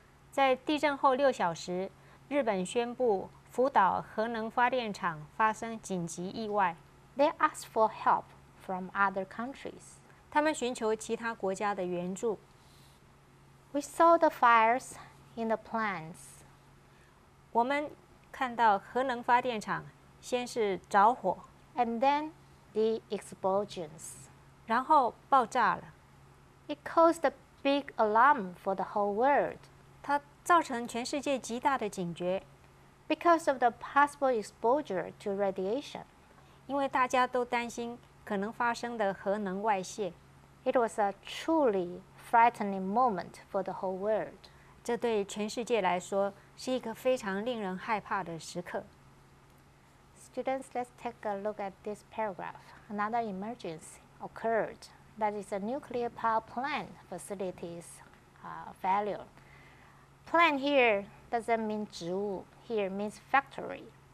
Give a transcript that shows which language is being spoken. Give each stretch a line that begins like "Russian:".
Chinese: 在地震后六小时，日本宣布福岛核能发电厂发生紧急意外。
English: They asked for help from other countries.
Chinese: 他们寻求其他国家的援助。
English: We saw the fires in the plants.
Chinese: 我们看到核能发电厂先是着火。
English: And then the explosions.
Chinese: 然后爆炸了。
English: It caused a big alarm for the whole world.
Chinese: 它造成全世界极大的警觉。
English: Because of the possible exposure to radiation.
Chinese: 因为大家都担心可能发生的核能外泄。
English: It was a truly frightening moment for the whole world.
Chinese: 这对全世界来说是一个非常令人害怕的时刻。
English: Students, let's take a look at this paragraph. Another emergency occurred. That is a nuclear power plant facilities, failure. Plant here doesn't mean 植物。Here means factory.